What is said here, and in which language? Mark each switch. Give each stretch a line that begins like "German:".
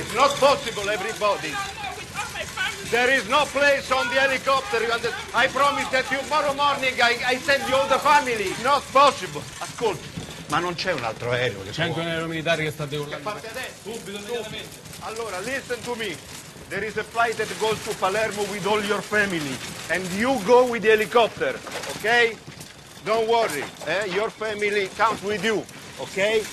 English: It's not possible, everybody. There is no place on the helicopter. I promise that tomorrow morning I send you all the family. Not possible.
Italian: Ascolti. Ma non c'è un altro aereo che c'è può... anche un aereo militare che sta urlando. Che parte adesso? Subito, immediatamente. Allora,
English: listen to me. There is a flight that goes to Palermo with all your family. And you go with the helicopter, okay? Don't worry, eh? Your family comes with you, okay?